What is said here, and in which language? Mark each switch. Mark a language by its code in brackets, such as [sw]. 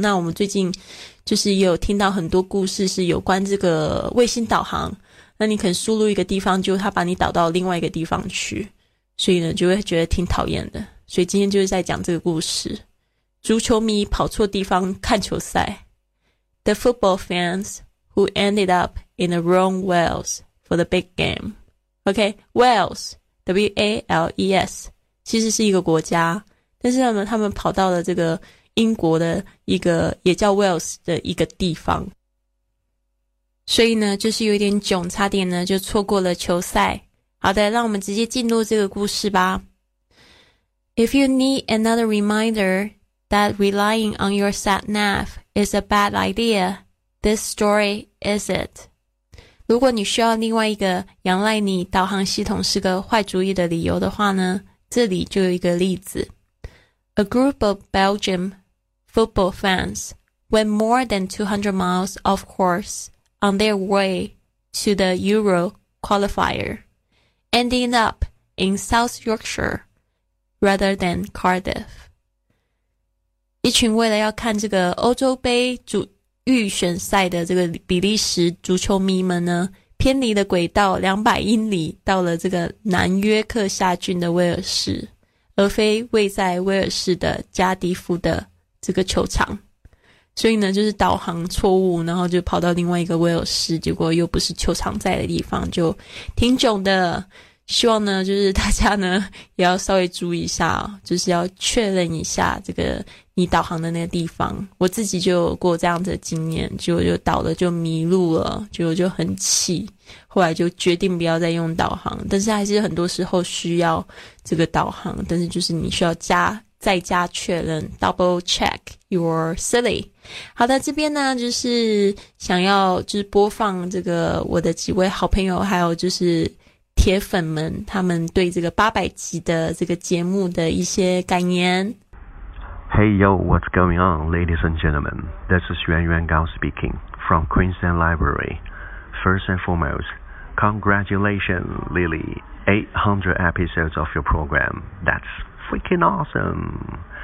[zh] 那我们最近就是也有听到很多故事是有关这个卫星导航，那你可能输入一个地方就它把你导到另外一个地方去，所以呢就会觉得挺讨厌的。所以今天就是在讲这个故事，足球迷跑错地方看球赛。 [en] The football fans who ended up in the wrong Wales for the big game. [zh] OK, Wales, W-A-L-E-S, 其实是一个国家，但是呢他们跑到了这个英国的一个也叫 Wales 的一个地方，所以呢就是有点囧，差点呢就错过了球赛。好的，让我们直接进入这个故事吧。 [en] If you need another reminder that relying on your sat nav is a bad idea, this story is it. [zh] 如果你需要另外一个仰赖你导航系统是个坏主意的理由的话呢，这里就有一个例子。 [en] A group of Belgium football fans went more than 200 miles off course on their way to the Euro qualifier, ending up in South Yorkshire rather than Cardiff. [zh] 一群为了要看这个欧洲杯预选赛的这个比利时足球迷们呢，偏离了轨道200英里，到了这个南约克夏郡的威尔士，而非位在威尔士的加迪夫的这个球场，所以呢就是导航错误，然后就跑到另外一个威尔士，结果又不是球场在的地方，就挺囧的。希望呢就是大家呢也要稍微注意一下，就是要确认一下这个你导航的那个地方。我自己就有过这样子的经验，结果就导了就迷路了，结果就很气，后来就决定不要再用导航，但是还是很多时候需要这个导航，但是就是你需要再加确认 [en] double check your silly。 [zh] 好的，这边呢就是想要就是播放这个我的几位好朋友还有就是铁粉们他们对这个800集的这个节目的一些感言。 [en] Hey yo, what's going on, ladies and gentlemen? This is Yuan Yuan Gao speaking from Queensland Library. First and foremost, congratulations, Lily. 800 episodes of your program. That's freaking awesome.